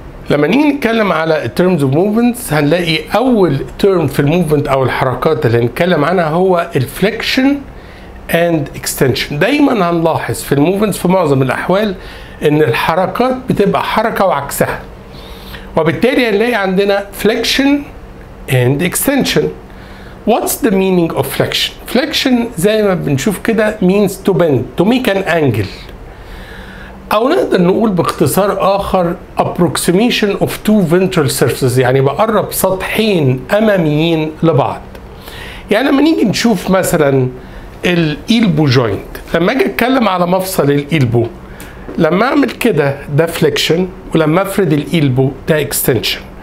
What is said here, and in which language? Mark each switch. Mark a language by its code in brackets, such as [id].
[ar] لما نيجي نتكلم على الـ terms of movements هنلاقي أول term في الموفمنت أو الحركات اللي هنتكلم عنها هو الفليكشن and extension. دايما هنلاحظ في الموفمنت في معظم الأحوال إن الحركات بتبقى حركة وعكسها. وبالتالي هنلاقي عندنا flexion and extension. [en] What's the meaning of flexion? Flexion [ar] زي ما بنشوف كده [en] means to bend, to make an angle. [ar] او نقدر نقول باختصار اخر [en] approximation of two ventral surfaces, [ar] يعني بقرب سطحين اماميين لبعض. يعني لما نيجي نشوف مثلا الالبو جوينت, لما اجي اتكلم على مفصل الالبو, لما اعمل كده ده flexion ولما افرد الالبو ده extension.